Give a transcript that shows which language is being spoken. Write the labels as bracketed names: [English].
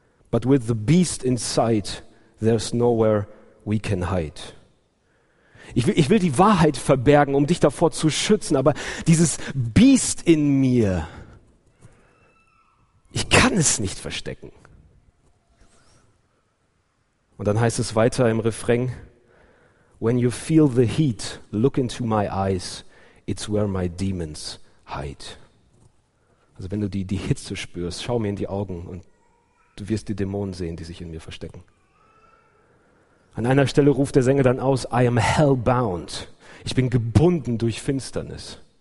[English] But with the beast inside, there's nowhere we can hide. [German] Ich will die Wahrheit verbergen, um dich davor zu schützen, aber dieses Biest in mir, ich kann es nicht verstecken. Und dann heißt es weiter im Refrain, [English] When you feel the heat, look into my eyes. It's where my demons hide. [German] Also wenn du die Hitze spürst, schau mir in die Augen und du wirst die Dämonen sehen, die sich in mir verstecken. An einer Stelle ruft der Sänger dann aus, [English] I am hellbound. [German] Ich bin gebunden durch Finsternis.